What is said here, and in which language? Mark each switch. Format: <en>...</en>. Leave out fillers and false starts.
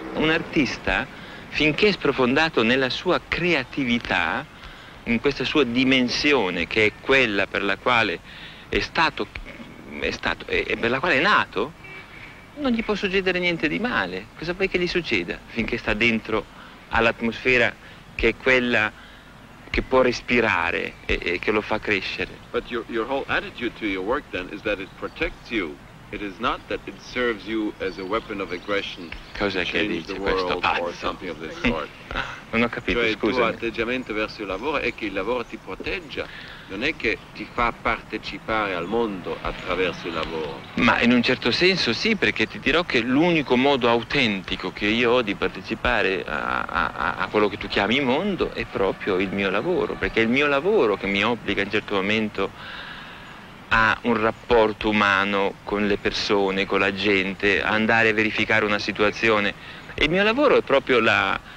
<it>Un artista, finché è sprofondato nella sua creatività, in questa sua dimensione che è quella per la quale è stato e per la quale è nato, non gli può succedere niente di male. Cosa vuoi che gli succeda finché sta dentro all'atmosfera che è quella che può respirare e che lo fa crescere?</it> <en>But your whole attitude to your work then is that it protects you. It is not that it serves you as a weapon of aggression.</en> <it>Cosa che dice questo pazzo?</it> <en>Or something of this sort.</en> <it>Non ho capito, cioè, scusami. Il tuo atteggiamento verso il lavoro è che il lavoro ti protegge, non è che ti fa partecipare al mondo attraverso il lavoro. Ma in un certo senso sì, perché ti dirò che l'unico modo autentico che io ho di partecipare a quello che tu chiami mondo è proprio il mio lavoro, perché è il mio lavoro che mi obbliga in un certo momento a un rapporto umano con le persone, con la gente, andare a verificare una situazione. Il mio lavoro è proprio la</it>